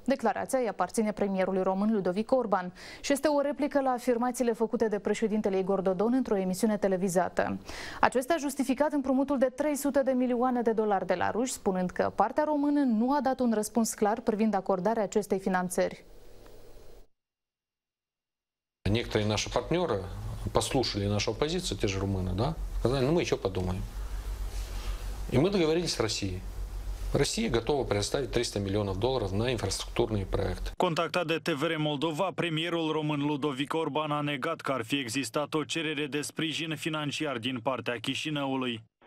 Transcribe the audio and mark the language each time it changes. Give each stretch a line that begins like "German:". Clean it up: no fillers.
Romanian: Declarația îi aparține premierului român Ludovic Orban și este o replică la afirmațiile făcute de președintele Igor Dodon într-o emisiune televizată. Acesta a justificat împrumutul de 300 de milioane de dolari de la ruși, spunând că partea română nu a dat un răspuns clar privind acordarea acestei finanțări.
Russian: Некоторые наши партнеры послушали нашу оппозицию, те же румыны, да? Сказали, ну мы еще подумаем. И мы договорились с Россией. Россия готова предоставить 300 миллионов долларов на инфраструктурные проекты.
Romanian: Контактат de TVR Moldova, премьерul român Ludovic Orban a negat că ar fi existat o cerere de sprijin financiar din partea Chișinăului.